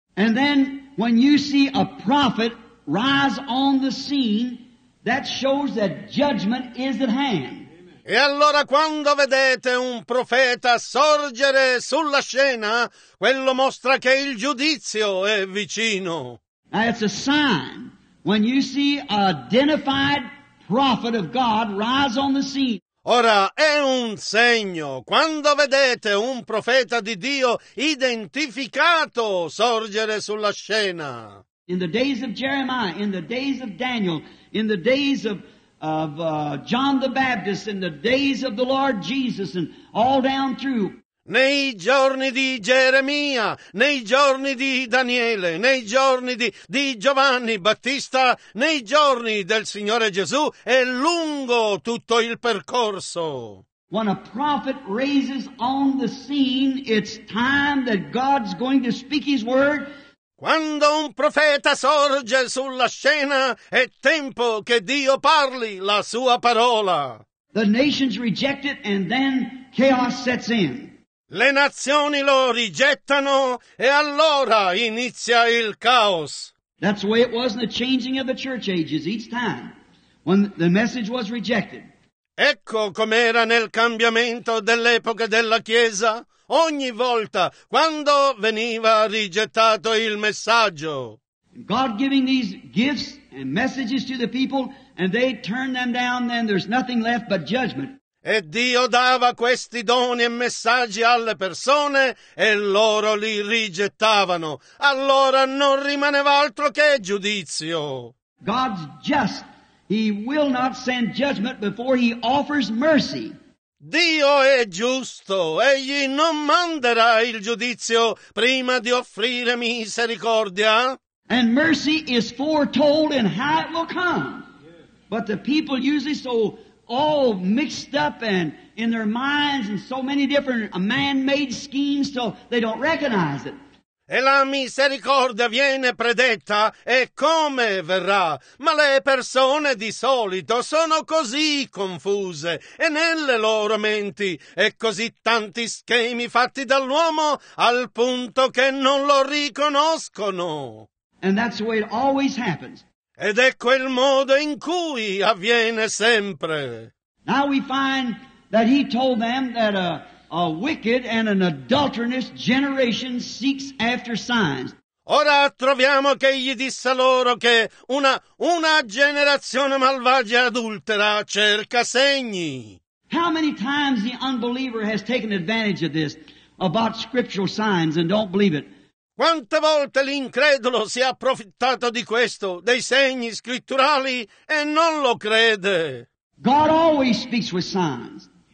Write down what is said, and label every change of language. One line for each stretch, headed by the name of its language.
English: And then when you see a prophet rise on the scene, that shows that judgment is at hand.
Italian: E allora quando vedete un profeta sorgere sulla scena, quello mostra che il giudizio è vicino.
English: That's a sign. When you see an identified prophet of God rise on the scene.
Italian: Ora è un segno quando vedete un profeta di Dio identificato sorgere sulla scena.
English: In the days of Jeremiah, in the days of Daniel, in the days of John the Baptist, in the days of the Lord Jesus, and all down through.
Italian: Nei giorni di Geremia, nei giorni di Daniele, nei giorni di Giovanni Battista, nei giorni del Signore Gesù, è lungo tutto il percorso.
English: When a prophet raises on the scene, it's time that God's going to speak his word.
Italian: Quando un profeta sorge sulla scena, è tempo che Dio parli la sua parola.
English: The nations reject it and then chaos sets in.
Italian: Le nazioni lo rigettano e allora inizia il caos.
English: That's the way it was in the changing of the church ages each time when the message was rejected.
Italian: Ecco com'era nel cambiamento dell'epoca della Chiesa ogni volta quando veniva rigettato il messaggio.
English: God giving these gifts and messages to the people and they turn them down, then there's nothing left but judgment.
Italian: E Dio dava questi doni e messaggi alle persone e loro li rigettavano. Allora non rimaneva altro che giudizio.
English: God's just. He will not send judgment before he offers mercy.
Italian: Dio è giusto. Egli non manderà il giudizio prima di offrire misericordia.
English: And mercy is foretold in how it will come. But the people usually so all mixed up and in their minds and so many different man-made schemes till they don't recognize it.
Italian: E la misericordia viene predetta e come verrà? Ma le persone di solito sono così confuse e nelle loro menti e così tanti schemi fatti dall'uomo al punto che non lo riconoscono.
English: And that's the way it always happens.
Italian: Ed è quel modo in cui avviene sempre.
English: Now we find that he told them that a wicked and an adulterous generation seeks after signs.
Italian: Ora troviamo che gli disse loro che una generazione malvagia e adultera cerca segni.
English: How many times the unbeliever has taken advantage of this about scriptural signs and don't believe it?
Italian: Quante volte l'incredulo si è approfittato di questo, dei segni scritturali, e non lo crede?
English: God always speaks with signs.